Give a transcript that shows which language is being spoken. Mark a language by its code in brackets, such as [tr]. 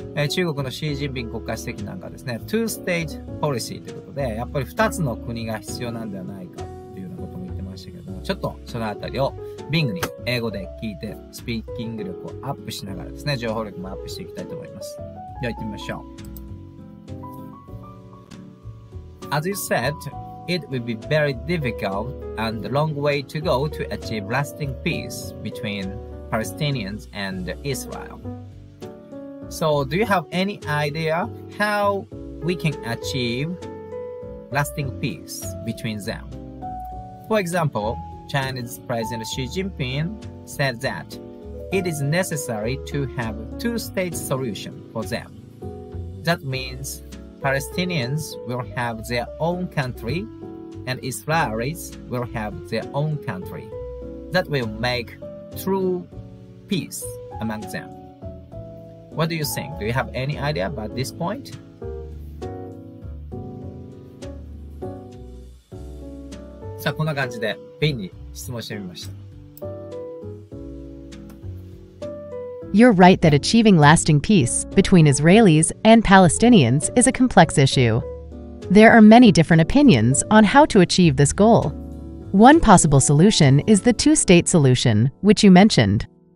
[ja] 中国のシー・ジンピン国家主席なんかですね、トゥーステージポリシーということで、やっぱり2つの国が必要なんではないかっていうようなことも言ってましたけども、ちょっとそのあたりをビングに英語で聞いて、スピーキング力をアップしながらですね、情報力もアップしていきたいと思います。では行ってみましょう。 [en] As you said, it will be very difficult and a long way to go to achieve lasting peace between Palestinians and Israel. So, do you have any idea how we can achieve lasting peace between them? For example, Chinese President Xi Jinping said that it is necessary to have a two-state solution for them. That means Palestinians will have their own country and Israelis will have their own country. That will make true peace among them. What do you think? Do you have any idea about this point? [ja] さあ、こんな感じでビンに質問してみました。 [en] You're right that achieving lasting peace between Israelis and Palestinians is a complex issue. There are many different opinions on how to achieve this goal. One possible solution is the two-state solution, which you mentioned.